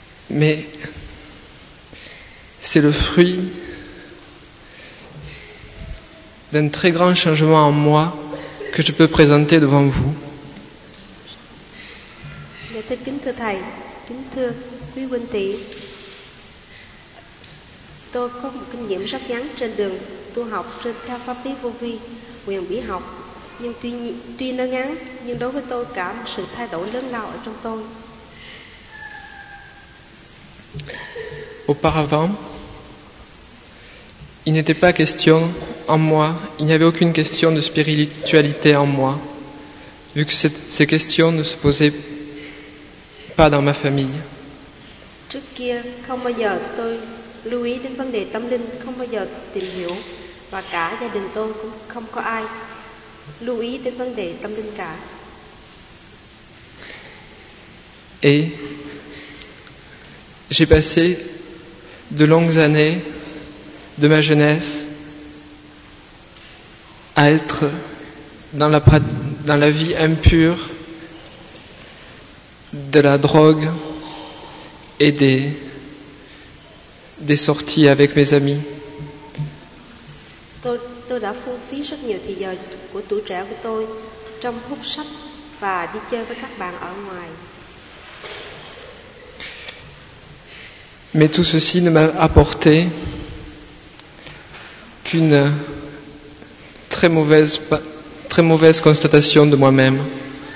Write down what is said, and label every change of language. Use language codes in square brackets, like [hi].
[fr] Mais c'est le fruit d'un très grand changement en moi que je peux présenter devant vous. [vi] Kính thưa thầy, kính thưa quý huynh tỷ, tôi có một kinh nghiệm rất ngắn trên đường tu học trên theo pháp lý vô vi quyền bí học, nhưng tuy nó ngắn nhưng đối với tôi cả một sự thay đổi lớn lao ở trong tôi. [fr] Auparavant, il n'était pas question en moi, il n'y avait aucune question de spiritualité en moi, vu que ces questions ne se posaient pas dans ma famille. [vi] Trước kia không bao giờ tôi lưu ý đến vấn đề tâm linh, không bao giờ tìm hiểu, và cả gia đình tôi cũng không có ai lưu ý đến vấn đề tâm linh cả. [fr] Et j'ai passé de longues années de ma jeunesse à être dans la vie impure de la drogue et des sorties avec mes amis. [vi] Tôi đã phung phí rất nhiều thời giờ của tuổi trẻ của tôi trong hút sách và đi chơi với các bạn ở ngoài. [fr] Mais tout ceci ne m'a apporté qu'une très mauvaise constatation de moi-même.